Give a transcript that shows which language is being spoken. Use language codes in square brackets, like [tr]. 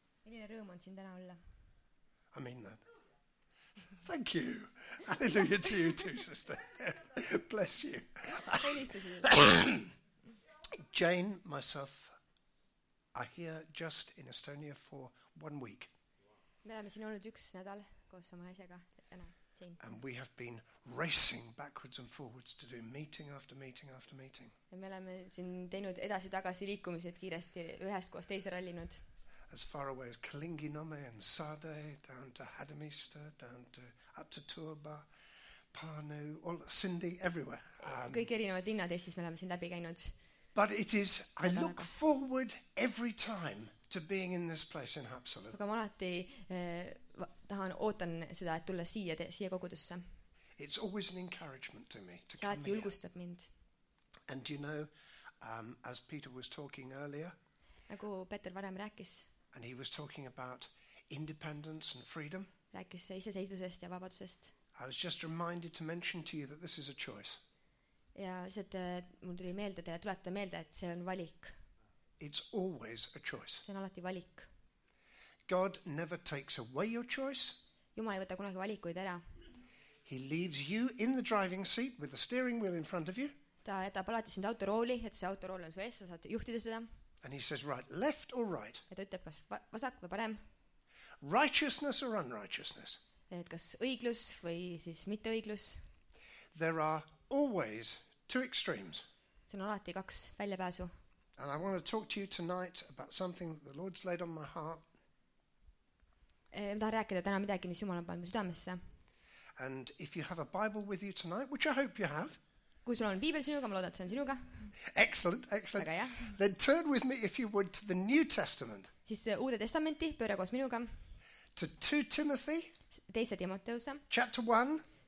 [et] Milline rõõm on siin täna olla. [en] I mean that. Thank you. Hallelujah to you too, sister. Bless you. Jane, myself, are here just in Estonia for 1 week. [et] Me oleme siin olnud üks nädal koos sama asjaga. [en] And we have been racing backwards and forwards to do meeting after meeting after meeting. [et] Ja me oleme siin teinud edasi tagasi liikumised kiiresti ühest koos teise rallinud. [en] As far away as Kalinginome and Sade, down to Hadamista, down to up to Turba, Panu, all Cindy, everywhere. [et] Kõik erinevad linnad Eestis me oleme siin läbi käinud. [en] But it is, I look forward every time to being in this place in Haapsalu. [et] Aga ma alati tahan ootan seda, et tulla siia kogudusse. [en] It's always an encouragement to me to come here. [et] Julgustab mind. [en] And you know, as Peter was talking earlier, [et] nagu Peter varem rääkis, [en] and he was talking about independence and freedom, [et] rääkis iseseisvusest ja vabadusest. [en] I was just reminded to mention to you that this is a choice. [et] Ja seda mul tuli meelde teile tuleta meelde, et see on valik. [en] It's always a choice. [et] See on alati valik. [en] God never takes away your choice. [et] Jumal ei võta kunagi valikuid ära. [en] He leaves you in the driving seat with the steering wheel in front of you. [et] Ta jätab alati sind autorooli, et see autorool on su ees, sa saad juhtida seda. [en] And he says right, left or right. [et] Ja ta ütleb kas vasak või parem. [en] Righteousness or unrighteousness. [et] Et kas õiglus või siis mitte õiglus. [en] There are always two extremes. [et] See on alati kaks väljapääsu. [en] And I want to talk to you tonight about something that the Lord's laid on my heart. [et] Ma tahan rääkida täna midagi, mis Jumal on pannud südamesse. [en] And if you have a Bible with you tonight, which I hope you have. [et] Kui sul on Biibel sinuga, ma loodan, et see on sinuga. [en] Excellent, excellent. Then turn with me if you would to the New Testament. [et] Siis Uude Testamenti, pööra koos minuga. [en] to 2 Timothy, [et] teise Timoteuse, [en] chapter 1,